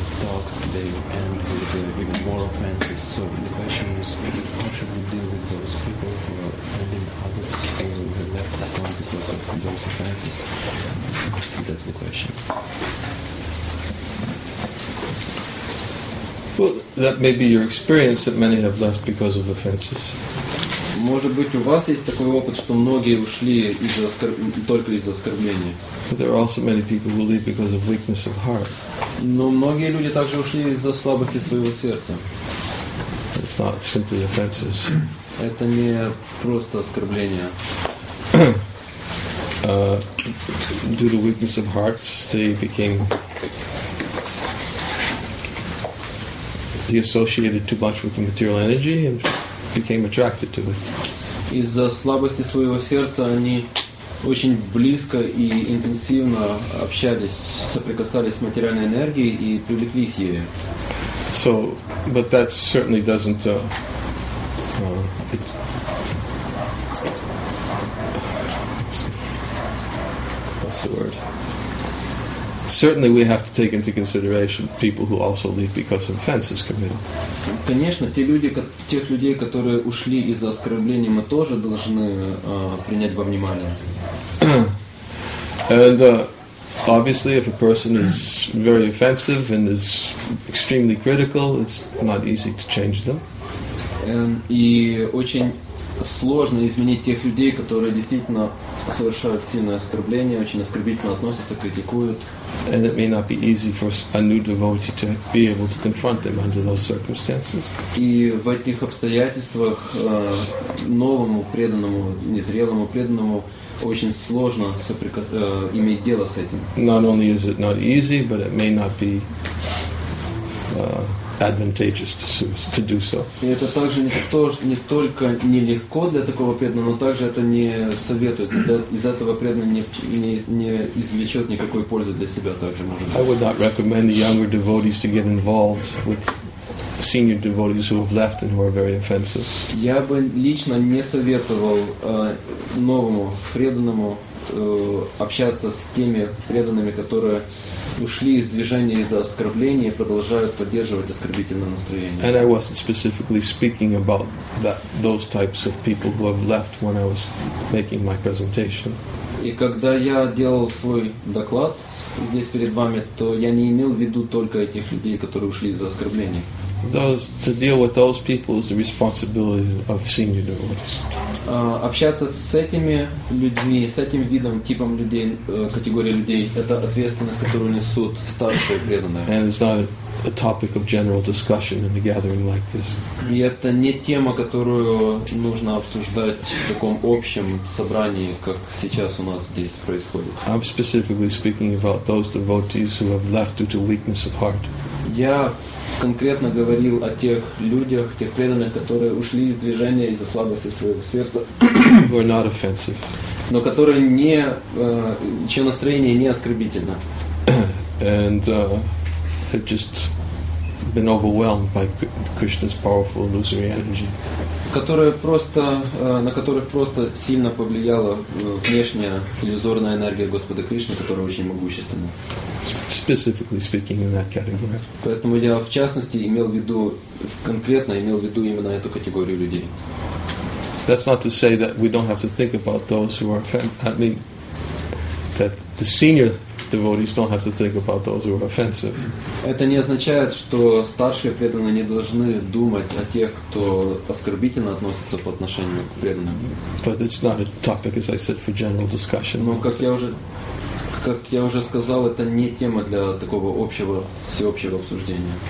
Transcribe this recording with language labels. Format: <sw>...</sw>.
<en>Talks, they end with even more offenses. So the question is, how should we deal with those people who are offending others who have left the town because of those offenses? That's the question. Well, that may be your experience that many have left because of offenses.</en> <ru>Может быть, у вас есть такой опыт, что многие ушли только из-за оскорбления.</ru> <en>But there are also many people who leave because of weakness of heart.</en> <ru>Но многие люди также ушли из-за слабости своего сердца.</ru> <en>It's not simply offenses.</en> <ru>Это не просто оскорбление.</ru> <en>Due to weakness of heart, they became associated too much with the material energy and became attracted to it.</en> <ru>Из-за слабости своего сердца они очень близко и интенсивно общались, соприкасались с материальной энергией и привлеклись ею.</ru> <en>So, but that certainly doesn't, it that's the word. Certainly we have to take into consideration people who also leave because an offense is committed.</en> <ru>Конечно, те люди, тех людей, которые ушли из-за оскорбления, мы тоже должны принять во внимание.</ru> <en>And obviously if a person is very offensive and is extremely critical, it's not easy to change them.</en> <ru>И очень сложно изменить тех людей, которые действительно совершают сильное оскорбление, очень оскорбительно относятся, критикуют.</ru> <en>And it may not be easy for a new devotee to be able to confront them under those circumstances.</en> <ru>И в этих обстоятельствах новому преданному, незрелому преданному очень сложно иметь дело с этим.</ru> <en>Not only is it not easy, but it may not be advantageous to do so.</en> <ru>И это также не только нелегко для такого преданного, но также это не советуется. Из этого преданного не извлечет никакой пользы для себя также, может быть.</ru> <en>I would not recommend the younger devotees to get involved with senior devotees who have left and who are very offensive.</en> <ru>Я бы лично не советовал новому преданному общаться с теми преданными, которые ушли из движения из-за оскорбления и продолжают поддерживать оскорбительное настроение.</ru> <en>And I wasn't specifically speaking about that, those types of people who have left when I was making my presentation.</en> <ru>И когда я делал свой доклад здесь перед вами, то я не имел в виду только этих людей, которые ушли из-за оскорбления.</ru> <en>Those, to deal with those people is the responsibility of senior devotees.</en> <ru>Общаться с этими людьми, с этим видом, типом людей, категории людей, это ответственность, которую несут старшие преданные.</ru> <en>And it's not a topic of general discussion in a gathering like this.</en> <ru>И это не тема, которую нужно обсуждать в таком общем собрании, как сейчас у нас здесь происходит.</ru> <en>I'm specifically speaking about those devotees who have left due to weakness of heart.</en> <ru>Я конкретно говорил о тех людях, тех преданных, которые ушли из движения из-за слабости своего сердца,</ru> <en>who are not offensive.</en> <ru>Но которые не, чье настроение не оскорбительно.</ru> <en>And they've just been overwhelmed by Krishna's powerful illusory energy.</en> <ru>Которые просто, на которых просто сильно повлияла внешняя иллюзорная энергия Господа Кришны, которая очень могущественна.</ru> <en>Specifically speaking in that category.</en> <ru>Поэтому я в частности имел в виду, конкретно имел в виду именно эту категорию людей.</ru> <en>That's not to say that we don't have to think about those who are that the senior devotees don't have to think about those who are offensive.</en> <ru>Это не означает, что старшие преданные не должны думать о тех, кто оскорбительно относится по отношению к преданным.</ru> <en>But it's not a topic, as I said, for general discussion.</en> <ru>Но как я уже сказал, это не тема для такого общего, всеобщего обсуждения.</ru>